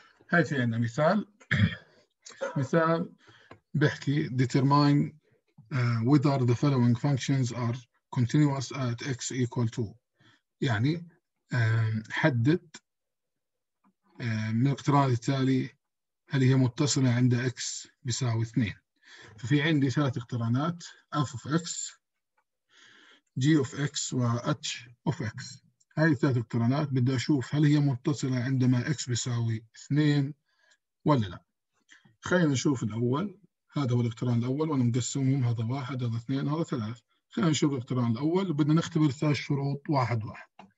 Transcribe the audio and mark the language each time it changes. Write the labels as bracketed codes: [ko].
[ar] هاي في عندنا مثال، مثال بحكي [en] determine whether the following functions are continuous at x equal to، [ar] يعني حدد من الاقتران التالي هل هي متصلة عند x بيساوي 2. ففي عندي ثلاث اقترانات: f of x، g of x، و h of x. هاي الثلاث اقترانات بدي أشوف هل هي متصلة عندما x بيساوي 2 ولا لا. خلينا نشوف الأول، هذا هو الاقتران الأول، وأنا مقسمهم هذا واحد هذا اثنين هذا ثلاث. خلينا نشوف الاقتران الأول، وبدنا نختبر ثلاث شروط واحد واحد.